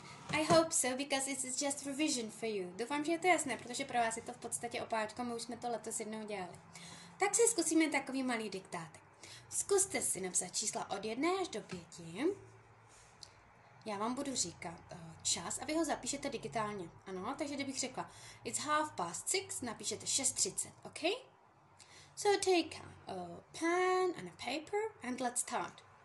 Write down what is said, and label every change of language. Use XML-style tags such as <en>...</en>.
<en>I hope so, because this is just revision for you.</en> <cs>Doufám, že je to jasné, protože pro vás je to v podstatě opáčko, my už jsme to letos jednou dělali. Tak si zkusíme takový malý diktátek. Zkuste si napsat čísla od 1 až do 5. Já vám budu říkat čas a vy ho zapíšete digitálně. Ano, takže kdybych řekla,</cs> <en>it's half past six,</en> <cs>napíšete 6:30, OK?</cs> <en>So take a pen and a paper and let's start.</en>